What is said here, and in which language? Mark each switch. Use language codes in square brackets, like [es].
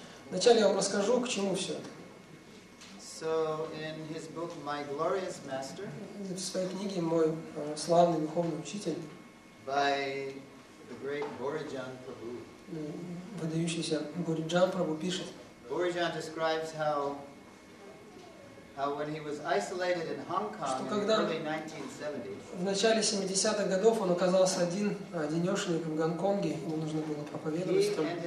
[ru] Вначале я вам расскажу, к чему все это. В своей книге «Мой славный духовный учитель», выдающийся Бориджан Прабху пишет. [en] Бориджан describes how when he was isolated in Hong Kong in the early 1970s. [ru] В начале 70-х годов он оказался одинёшенек в Гонконге, ему нужно было проповедовать там.